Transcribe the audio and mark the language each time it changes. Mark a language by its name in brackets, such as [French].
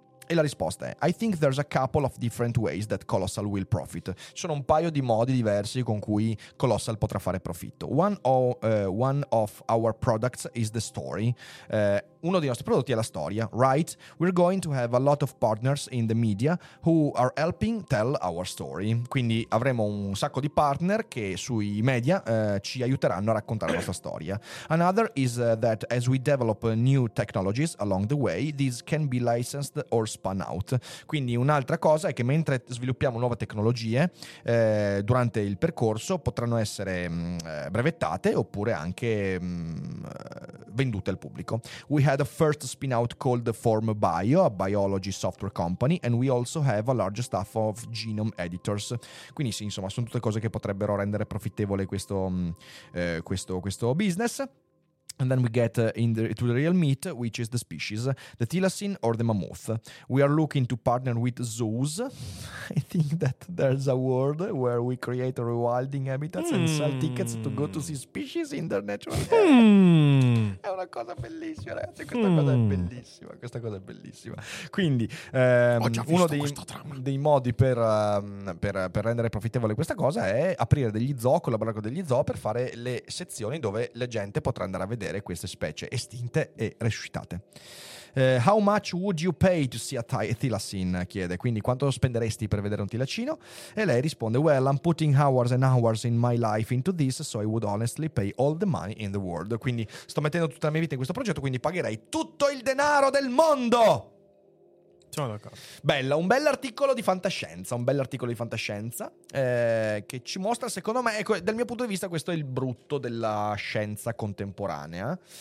[Italian] E la risposta è: [English] I think there's a couple of different ways that Colossal will profit. [Italian] Sono un paio di modi diversi con cui Colossal potrà fare profitto. [English] One of our products is the story. [Italian] Uno dei nostri prodotti è la storia, [English] right? We're going to have a lot of partners in the media who are helping tell our story. [Italian] Quindi avremo un sacco di partner che sui media ci aiuteranno a raccontare la nostra storia. [English] Another is that as we develop new technologies along the way, these can be licensed or spun out. [Italian] Quindi un'altra cosa è che mentre sviluppiamo nuove tecnologie durante il percorso potranno essere brevettate oppure anche vendute al pubblico. [English] We had a first spin out called Form Bio, a biology software company, and we also have a large staff of genome editors. [Italian] Quindi sì, insomma, sono tutte cose che potrebbero rendere profittevole questo questo business. [English] And then we get to the real meat, which is the species, the thylacine or the mammoth. We are looking to partner with zoos. I think that there's a world where we create rewilding habitats and sell tickets to go to see species in their natural area. [Italian] È una cosa bellissima, ragazzi. Questa cosa è bellissima. Questa cosa è bellissima. Quindi, uno dei modi per rendere profittevole questa cosa è aprire degli zoo, collaborare con degli zoo per fare le sezioni dove la gente potrà andare a vedere queste specie estinte e resuscitate. [English] How much would you pay to see a thylacine? [Italian] Chiede. Quindi quanto spenderesti per vedere un thylacino? E lei risponde: [English] Well, I'm putting hours and hours in my life into this, so I would honestly pay all the money in the world. [Italian] Quindi sto mettendo tutta la mia vita in questo progetto, quindi pagherei tutto il denaro del mondo. Sono d'accordo. Bella, un bel articolo di fantascienza. Un bel articolo di fantascienza che ci mostra, secondo me, ecco, dal mio punto di vista, questo è il brutto della scienza contemporanea.